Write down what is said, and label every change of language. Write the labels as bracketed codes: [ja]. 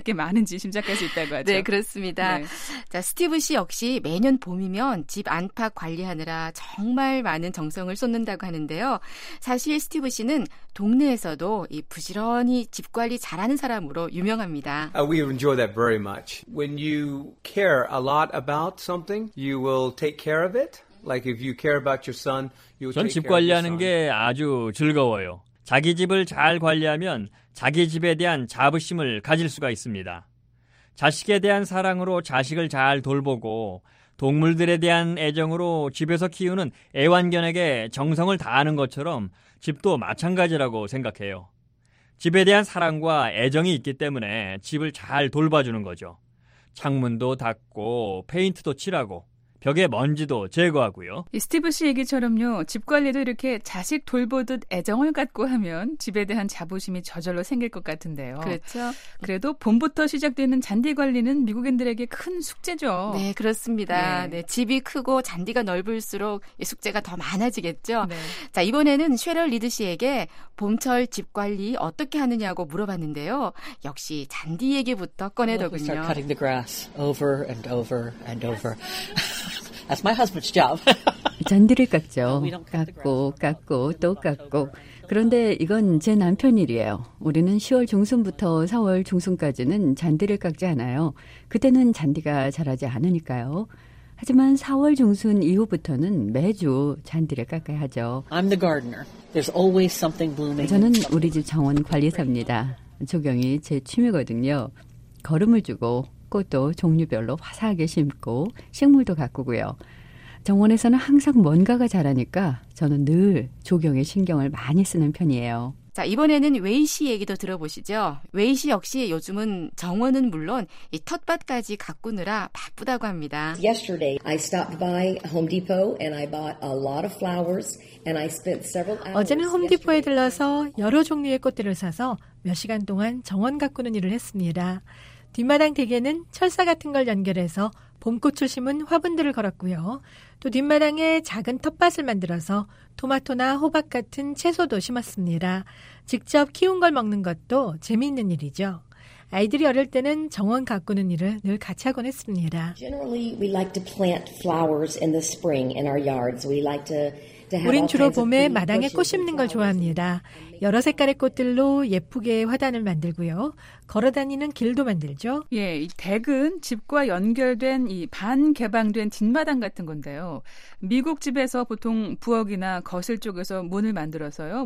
[ko] 할 게 많은지 짐작할 수 있다고 하죠. 네, 그렇습니다. 네. 자, 스티브 씨 역시 매년 봄이면 집 안팎 관리하느라 정말 많은 정성을 쏟는다고 하는데요. 사실 스티브 씨는 동네에서도 이 부지런히 집 관리 잘하는 사람으로 유명합니다. [en] We enjoy that very much. When you care a lot about something, you will take care of it. Like if you care about your son, you will take care of it. [ko] 집 관리하는 게 아주 즐거워요. 자기 집을 잘 관리하면 자기 집에 대한 자부심을 가질 수가 있습니다. 자식에 대한 사랑으로 자식을 잘 돌보고 동물들에 대한 애정으로 집에서 키우는 애완견에게 정성을 다하는 것처럼 집도 마찬가지라고 생각해요. 집에 대한 사랑과 애정이 있기 때문에 집을 잘 돌봐주는 거죠. 창문도 닦고 페인트도 칠하고 벽에 먼지도 제거하고요. 이 스티브 씨 얘기처럼요. 집 관리도 이렇게 자식 돌보듯 애정을 갖고 하면 집에 대한 자부심이 저절로 생길 것 같은데요. 그렇죠. 그래도 봄부터 시작되는 잔디 관리는 미국인들에게 큰 숙제죠. 네, 그렇습니다. 네. 네, 집이 크고 잔디가 넓을수록 숙제가 더 많아지겠죠. 네. 자, 이번에는 쉐럴 리드 씨에게 봄철 집 관리 어떻게 하느냐고 물어봤는데요. 역시 잔디 얘기부터 꺼내더군요. [en] We start cutting the grass over and over and over. That's my husband's job. [ko] 잔디를 깎죠. 깎고 깎고 또 깎고. 그런데 이건 제 남편 일이에요. 우리는 10월 중순부터 4월 중순까지는 잔디를 깎지 않아요. 그때는 잔디가 자라지 않으니까요. 하지만 4월 중순 이후부터는 매주 잔디를 깎아야 하죠. [en] I'm the gardener. There's always something blooming. [ko] 저는 우리 집 정원 관리사입니다. 조경이 제 취미거든요. 거름을 주고 꽃도 종류별로 화사하게 심고 식물도 가꾸고요. 정원에서는 항상 뭔가가 자라니까 저는 늘 조경에 신경을 많이 쓰는 편이에요. 자, 이번에는 웨이 씨 얘기도 들어보시죠. 웨이 씨 역시 요즘은 정원은 물론 이 텃밭까지 가꾸느라 바쁘다고 합니다. [en] Yesterday I stopped by Home Depot and I bought a lot of flowers and I spent several hours. [ko] 어제는 홈디포에 들러서 여러 종류의 꽃들을 사서 몇 시간 동안 정원 가꾸는 일을 했습니다. 뒷마당 대개는 철사 같은 걸 연결해서 봄꽃을 심은 화분들을 걸었고요. 또 뒷마당에 작은 텃밭을 만들어서 토마토나 호박 같은 채소도 심었습니다. 직접 키운 걸 먹는 것도 재미있는 일이죠. 아이들이 어릴 때는 정원 가꾸는 일을 늘 같이 하곤 했습니다. [en] Generally, we like to plant flowers in the spring in our yards. We like to [ko] 우린 주로 봄에 마당에 꽃 심는 걸 좋아합니다. 여러 색깔의 꽃들로 예쁘게 화단을 만들고요. 걸어다니는 길도 만들죠. 예, 이 댁은 집과 연결된 이 반 개방된 뒷마당 같은 건데요. 미국 집에서 보통 부엌이나 거실 쪽에서 문을 만들어서요.